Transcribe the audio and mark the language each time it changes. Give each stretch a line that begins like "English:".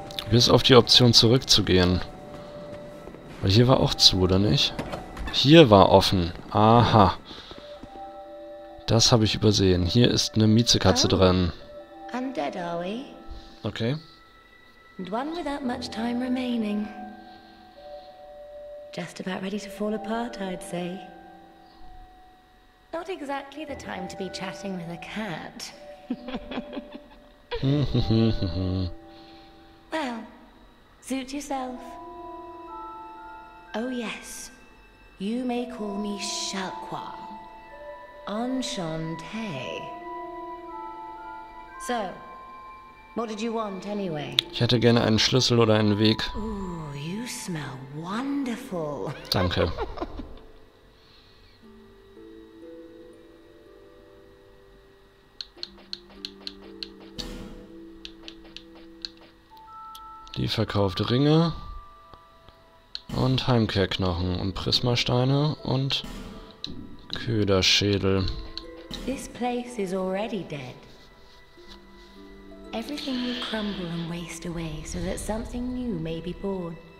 German: Bis auf die Option zurückzugehen. Weil hier war auch zu, oder nicht? Hier war offen. Aha. Das habe ich übersehen. Hier ist eine Miezekatze drin.
English: Undead. dead, are we? Okay. And one without much time remaining. Just about ready to fall apart, I'd say. Not exactly the time to be chatting with a cat. Well, suit yourself. Oh yes, you may call me Shalqua.
French: Enchanté.
English: So, what did you want anyway?
German: Ich hätte gerne einen Schlüssel oder einen Weg.
English: Ooh, you smell wonderful.
German: Danke. Die verkauft Ringe und Heimkehrknochen und Prismasteine und Köderschädel.
English: This place is already dead. Everything will crumble and waste away, so that something new may be born.